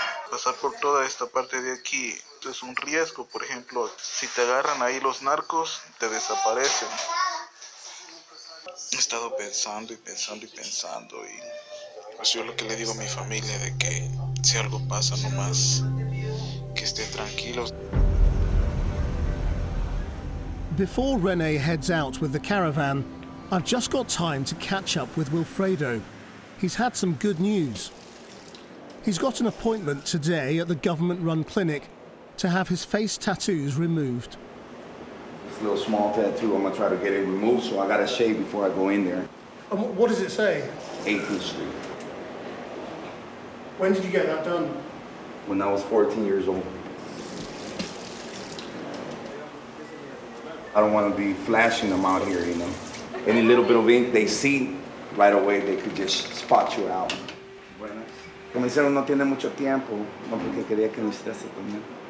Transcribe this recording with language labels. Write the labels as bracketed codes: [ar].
[es] Pasar por toda esta parte de aquí es un riesgo. Por ejemplo, si te agarran ahí los narcos, te desaparecen. He estado pensando y pues yo lo que le digo a mi familia de que si algo pasa nomás que estén tranquilos. [en] Before René heads out with the caravan, I've just got time to catch up with Wilfredo. He's had some good news. He's got an appointment today at the government-run clinic to have his face tattoos removed. This little small tattoo, I'm gonna try to get it removed, so I gotta shave before I go in there. What does it say? 18th Street. When did you get that done? When I was 14 years old. I don't want to be flashing them out here, you know. Any little bit of ink they see, right away they could just spot you out. [es] Buenas. Como dijeron, no tiene mucho tiempo, no porque quería que me estresase también.